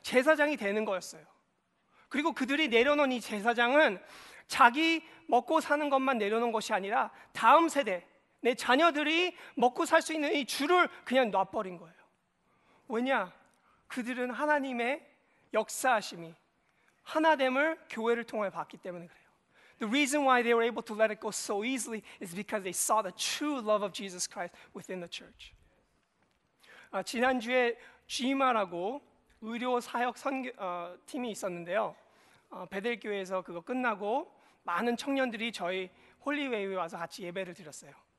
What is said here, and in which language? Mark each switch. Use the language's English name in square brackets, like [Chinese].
[Korean] 제사장이 되는 거였어요. 그리고 그들이 내려놓은 이 제사장은 자기 먹고 사는 것만 내려놓은 것이 아니라 다음 세대, 내 자녀들이 먹고 살 수 있는 이 줄을 그냥 놔버린 거예요. 왜냐? 그들은 하나님의 역사하심이 하나됨을 교회를 통해 봤기 때문에 그래요. [English] The reason why they were able to let it go so easily is because they saw the true love of Jesus Christ within the church. [Korean] 지난주에 GMA라고 의료 사역 선교 팀이 있었는데요. 베델 교회에서 그거 끝나고 많은 청년들이 저희 홀리웨이에 와서 같이 예배를 드렸어요.